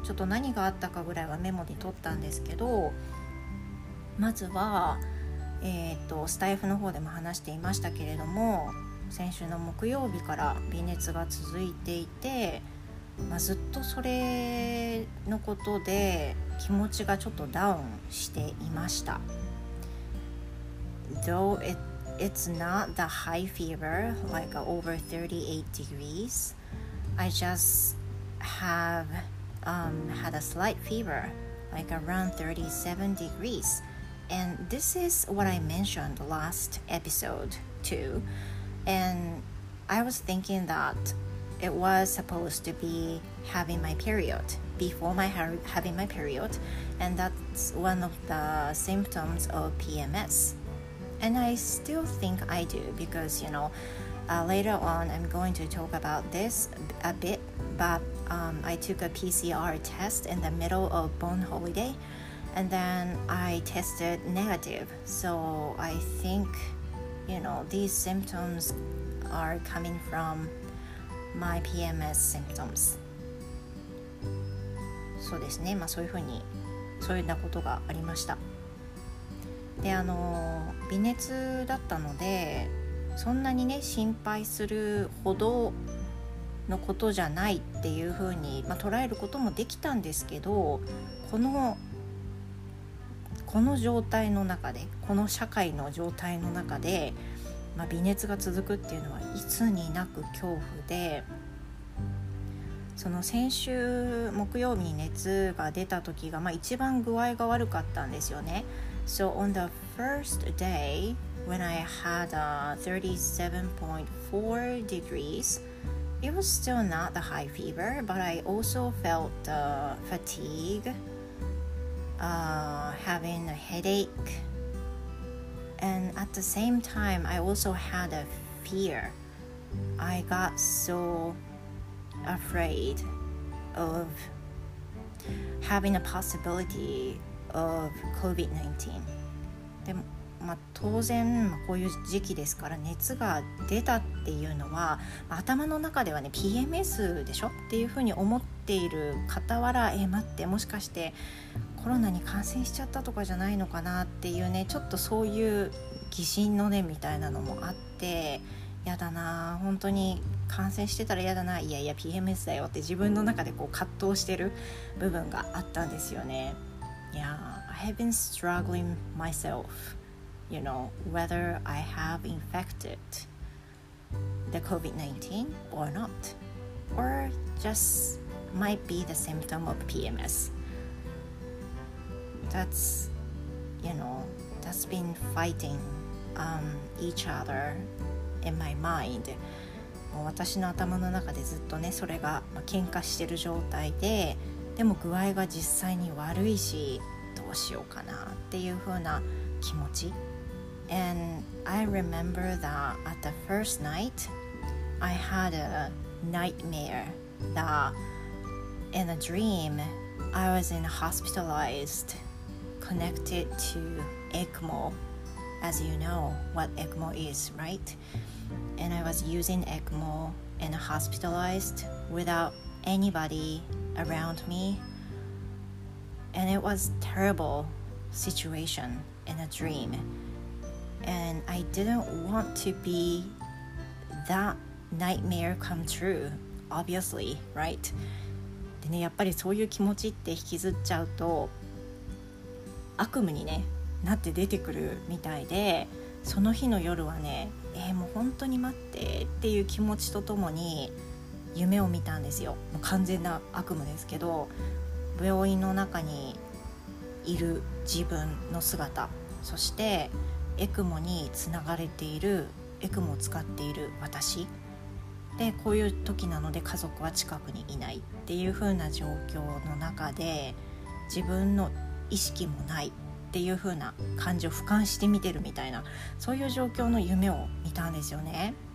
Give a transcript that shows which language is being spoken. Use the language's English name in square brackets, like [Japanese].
[Japanese] ちょっと何があったかぐらいはメモで取ったんですけど、まずはスタイフの方でも話していましたけれども、先週の木曜日から微熱が続いていて、まあ、ずっとそれのことで気持ちがちょっとダウンしていました。 [English] Though it's not the high fever, like over 38 degrees, I just have had a slight fever, like around 37 degrees. And this is what I mentioned last episode too. And I was thinking thatIt was supposed to be having my period before my having my period, and that's one of the symptoms of PMS. And I still think I do because, you know, later on I'm going to talk about this a bit, but I took a PCR test in the middle of Bon Holiday, and then I tested negative. So I think, you know, these symptoms are coming fromMy PMS symptoms. [Japanese] そうですね、まあ、そういうふうにそういうようなことがありました。で、微熱だったのでそんなにね心配するほどのことじゃないっていうふうに、まあ、捉えることもできたんですけど、この状態の中で、この社会の状態の中で、まあ、微熱が続くっていうのはいつになく恐怖で、その先週木曜日に熱が出た時が、まあ、一番具合が悪かったんですよね。 [English] So on the first day when I had a 37.4 degrees, it was still not the high fever, but I also felt the fatigue, having a headacheAnd at the same time, I also had a fear. I got so afraid of having a possibility of COVID-19. [Japanese] で、まあ、当然こういう時期ですから熱が出たっていうのは頭の中ではね PMS でしょっていうふうに思っている傍ら、待ってもしかしてコロナに感染しちゃったとかじゃないのかなっていうね、ちょっとそういう疑心のねみたいなのもあって、やだな本当に感染してたらやだな、いやいや PMS だよって自分の中でこう葛藤してる部分があったんですよね。 Yeah, I have been struggling myself, you know, whether I have infected the COVID-19 or not, or just might be the symptom of PMS. That's, you know, that's been fighting each other in my mind. もう私の頭の中でずっとね、それが喧嘩してる状態で、でも具合が実際に悪いし、どうしようかなっていう風な気持ち。 [English] And I remember that at the first night I had a nightmare that in a dream I was in hospitalized connected to ECMO, as you know what ECMO is, right? And I was using ECMO and hospitalized without anybody around meAnd it was a terrible situation in a dream. And I didn't want to be that nightmare come true, obviously, right? [Japanese] でね、やっぱりそういう気持ちって引きずっちゃうと悪夢にね、なって出てくるみたいで、その日の夜はね、もう本当に待ってっていう気持ちとともに夢を見たんですよ。もう完全な悪夢ですけど、病院の中にいる自分の姿、そしてエクモにつながれているエクモを使っている私で、こういう時なので家族は近くにいないっていう風な状況の中で、自分の意識もないっていう風な感じを俯瞰して見てるみたいな、そういう状況の夢を見たんですよね。